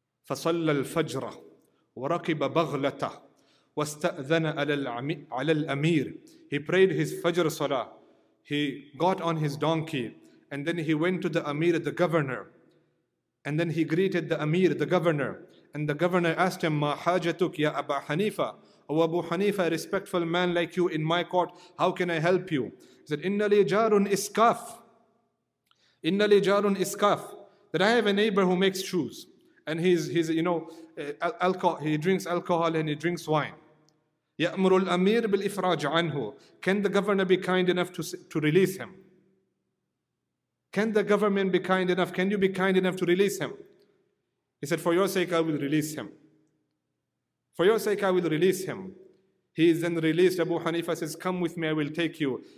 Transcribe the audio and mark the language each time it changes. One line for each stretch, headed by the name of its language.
Arabic: فصلى الفجر وركب بغلة واستأذن على الأمير.
English: He prayed his Fajr Salah. He got on his donkey, and then he went to the Amir, the governor. And then he greeted the Amir, the governor. And the governor asked him,
Arabic: ما حاجتك يا أبا حنيفة؟
English: Oh Abu Hanifa, a respectful man like you in my court, how can I help you?
Arabic: He said, إِنَّ لِي جَارٌ إِسْكَافٌ. إِنَّ لِي جَارٌ إِسْكَافٌ.
English: That I have a neighbor who makes shoes. And he's you know, alcohol. He drinks alcohol and he drinks wine.
Arabic: يأمر الأمير بالإفراج عنه.
English: Can the governor be kind enough to release him? Can the government be kind enough? Can you be kind enough to release him? He said, for your sake, I will release him. For your sake, I will release him. He is then released. Abu Hanifa says, come with me, I will take you.